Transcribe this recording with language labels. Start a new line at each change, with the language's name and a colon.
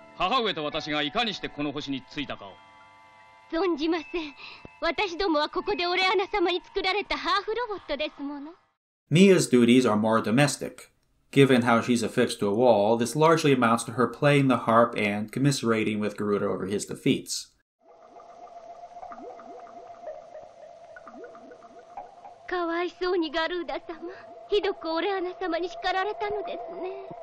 Japanese: 母上と私がいかにしてこの星に着いたかを。存じません。私どもはここでオレアナ様に作られたハーフロボットですもの。
English: Mia's duties are more domestic. Given how she's affixed to a wall, this largely amounts to her playing the harp and commiserating with Garuda over his defeats.
Japanese: かわいそうにガルーダ様。ひどくオレアナ様に叱られたのですね。